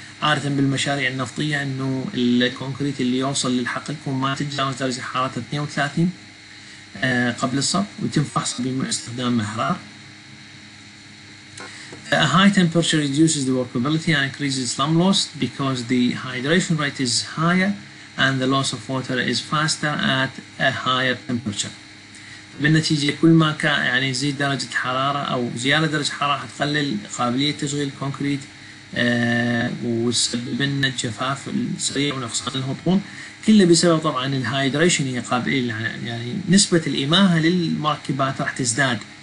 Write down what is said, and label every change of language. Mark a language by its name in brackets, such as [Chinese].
[Arabic] عادة بالمشاريع النفطية أنه الكونكريت اللي يوصل للحقل يكون ما تتجاوز درجة حرارة 32 قبل الصب ويتم فحصه باستخدام محرار. [English] A high temperature reduces the workability and increases slum loss because the hydration rate is higher and the loss of water is faster at a higher temperature. [Arabic] بالنتيجة كل ما كان يعني زيد درجة حرارة أو زيادة درجة حرارة تقلل قابلية تشغيل الكونكريت وسبب لنا الجفاف السريع ونقصان الهطول، كله بسبب طبعا الهايدريشن هي قابلية يعني نسبة الإماهة للمركبات راح تزداد،